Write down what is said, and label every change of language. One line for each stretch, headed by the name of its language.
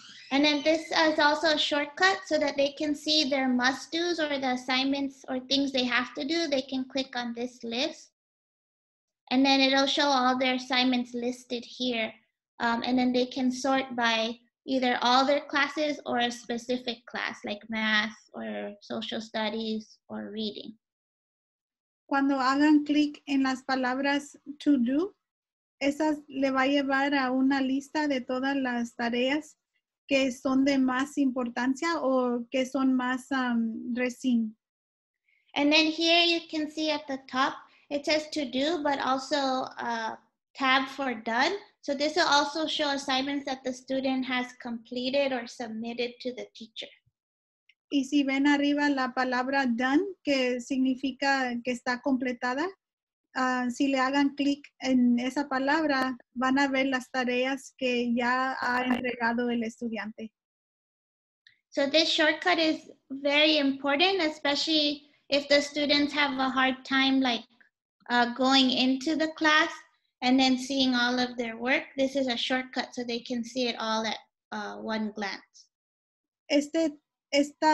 English: And then this is also a shortcut so that they can see their must-dos or the assignments or things they have to do. They can click on this list. And then it'll show all their assignments listed here. And then they can sort by either all their classes or a specific class like math or social studies or reading.
Spanish: Cuando hagan click en las palabras to do, esas le va a llevar a una lista de todas las tareas que son de más importancia o que son más recién.
English: And then here you can see at the top, it says to do, but also a tab for done. So this will also show assignments that the student has completed or submitted to the teacher.
Spanish: Y si ven arriba la palabra done, que significa que está completada, si le hagan clic en esa palabra, van a ver las tareas que ya ha entregado el estudiante.
English: So this shortcut is very important, especially if the students have a hard time like going into the class and then seeing all of their work. This is a shortcut so they can see it all at one glance.